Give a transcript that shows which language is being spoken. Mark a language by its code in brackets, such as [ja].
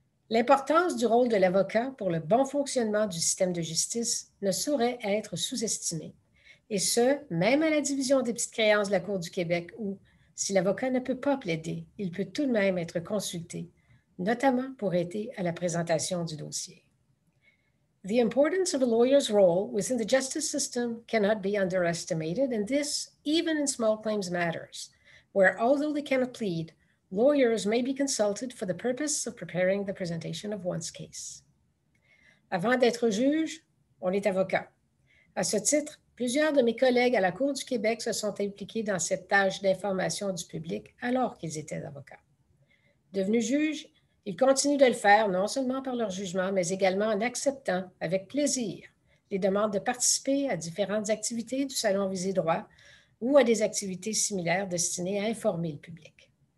[fr] L'importance du rôle de l'avocat pour le bon fonctionnement du système de justice ne saurait être sous-estimée, et ce, même à la division des petites créances de la Cour du Québec où, si l'avocat ne peut pas plaider, il peut tout de même être consulté, notamment pour aider à la présentation du dossier. [en] The importance of a lawyer's role within the justice system cannot be underestimated, and this even in small claims matters, where although they cannot plead, lawyers may be consulted for the purpose of preparing the presentation of one's case. [fr] Avant d'être juge, on est avocat. À ce titre, plusieurs de mes collègues à la Cour du Québec se sont impliqués dans cette tâche d'information du public alors qu'ils étaient avocats. Devenus juges, ils continuent de le faire non seulement par leur jugement, mais également en acceptant avec plaisir les demandes de participer à différentes activités du Salon Visé Droit ou à des activités similaires destinées à informer le public.